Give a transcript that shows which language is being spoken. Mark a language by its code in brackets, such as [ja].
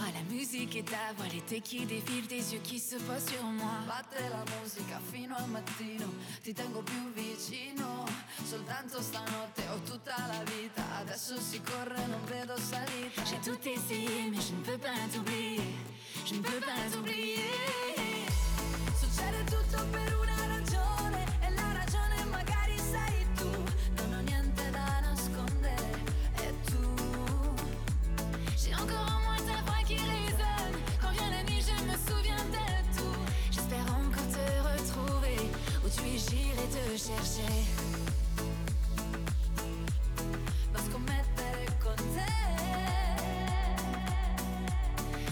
[fr] Musique et ta voix, l'été qui défile, tes yeux qui se posent sur moi. [it] Batte la musica fino al mattino, ti tengo più vicino. Soltanto stanotte ho tutta la vita, adesso si corre, non vedo salita. [fr] J'ai tout essayé, mais je ne peux pas t'oublier. Je ne peux pas t'oublier. [it] Succede tutto per una ragione, e la ragione magari sei tu. Non ho niente da nascondere, è tu. [fr] J'ai encore en moi ta voix qui résonne. Quand vient la nuit, je me souviens de tout. J'espère encore te retrouver, où tu es, j'irai te chercher. [it] Scommettere con te,